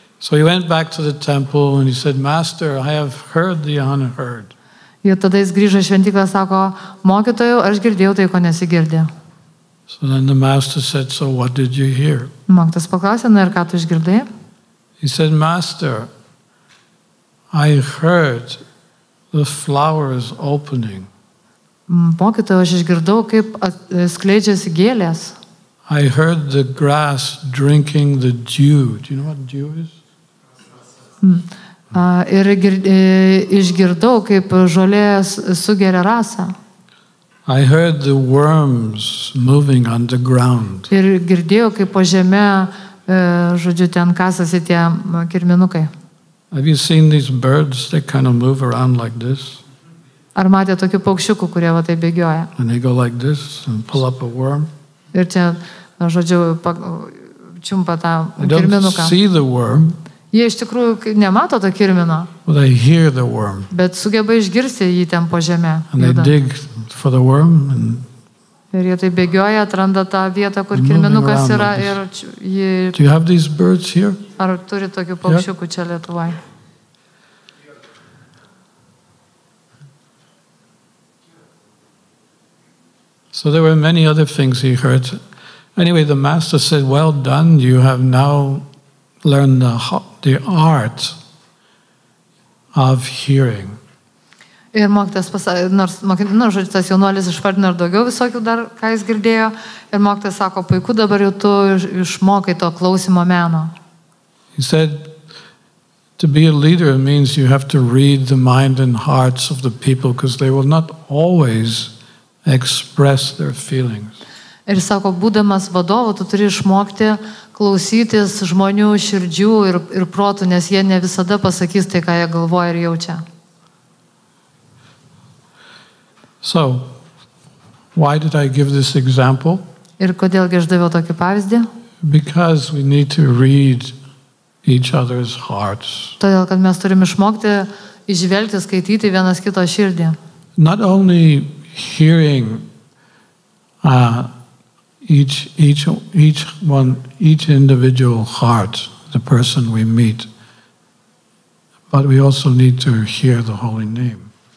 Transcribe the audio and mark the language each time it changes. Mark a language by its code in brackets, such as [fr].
[en] So he went back to the temple and he said, master, I have heard the unheard. [lt] Ir tada jis grįžo į šventyklą, sako, mokytojau, aš girdėjau tai, ko nesigirdė. [en] So then the master said, so what did you hear? [lt] Mokytas paklausė, na ir ką tu išgirdai? [en] He said, master, I heard the flowers opening. [lt] Mokytojau, aš išgirdau, kaip skleidžiasi gėlės. [en] I heard the grass drinking the dew. Do you know what dew is? [lt] Ir išgirdau, kaip žolė sugeria rasą. [en] I heard the worms moving underground. [lt] Ir girdėjau, kaip po žemę, žodžiu, ten kasasi tie kirminukai. [en] Have you seen these birds? They kind of move around like this. [lt] Ar matė tokių paukščiukų, kurie va tai bėgioja? [en] And they go like this and pull up a worm. [lt] Ir čia, na, žodžiu, čiumpa tą kirminuką. [en] They don't see the worm. [lt] Jie iš tikrųjų nemato to kirmino. [en] But they hear the worm. [lt] Bet sugeba išgirsti jį ten po žemę. [en] And they dig for the worm and [lt] ir jie tai bėgioja, atranda tą vietą, kur kirminukas yra. Ir jį... [en] Do you have these birds here? [lt] Ar turi tokių paukščiukų čia Lietuvoje? [en] So there were many other things he heard. Anyway, the master said, well done, you have now learned the art of hearing. [lt] Ir mokytas pasakė, žodžiu, tas jaunuolis išvardino ir daugiau visokių dar, ką jis girdėjo. Ir mokytas sako, puiku, dabar jau tu išmokai to klausimo meno. [en] He said, to be a leader means you have to read the mind and hearts of the people because they will not always express their feelings. [lt] Ir sako, būdamas vadovu, tu turi išmokti klausytis žmonių širdžių ir protų, nes jie ne visada pasakys tai, ką jie galvoja ir jaučia. [en] So, why did I give this example? [lt] Ir kodėlgi aš daviau tokį pavyzdį? [en] Because we need to read each other's hearts. [lt] Todėl, kad mes turim išmokti išvelgti, skaityti vienas kito širdį. [en] Not only hearing each individual heart, the person we meet, but we also need to hear the holy name.